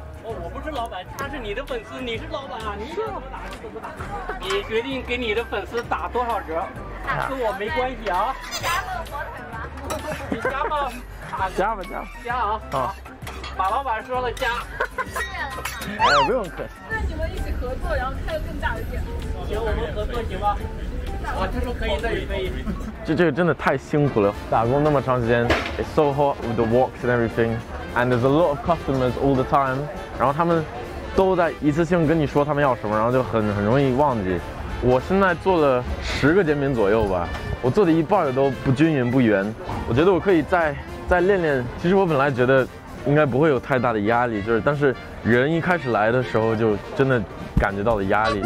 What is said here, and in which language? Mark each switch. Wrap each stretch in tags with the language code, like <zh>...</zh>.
<zh>我不是老板，他是你的粉丝，你是老板啊！你怎么打就怎么打，你决定给你的粉丝打多少折？下跟我没关系啊。加吧，加吧，加啊！好，马老板说了加。谢谢。哎，不用客气。那你们一起合作，然后开个更大的店。行，我们合作行吗？啊，他说可以，那就可以。这个真的太辛苦了，打工那么长时间</zh> <en>，It's so hot with the walks and everything, and there's a lot of customers all the time.</en> <zh>然后他们都在一次性跟你说他们要什么，然后就很容易忘记。我现在做了10个煎饼左右吧，我做的一半都不均匀不圆。我觉得我可以再练练。其实我本来觉得应该不会有太大的压力，就是但是人一开始来的时候就真的感觉到了压力。</zh>